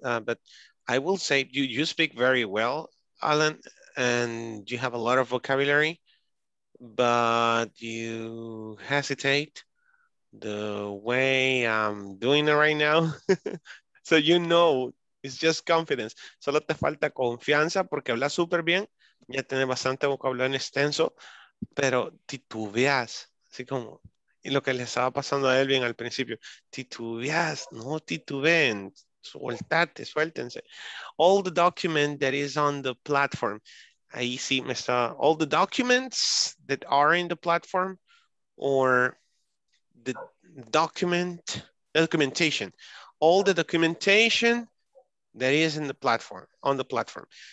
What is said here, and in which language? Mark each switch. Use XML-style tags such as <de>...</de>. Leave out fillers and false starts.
<en>But I will say you speak very well, Alan, and you have a lot of vocabulary, but you hesitate the way I'm doing it right now. So you know, it's just confidence.</en> <es>Solo te falta confianza porque hablas súper bien. Ya tienes bastante vocabulario extenso, pero titubeas. Así como y lo que le estaba pasando a Elvin al principio. Titubeas, no titubeen. Suéltate, suéltense.</es> <en>All the document that is on the platform.</en> <es>Ahí sí, me está.</es> <en>All the documents that are in the platform or the documentation. All the documentation that is in the platform, on the platform.</en>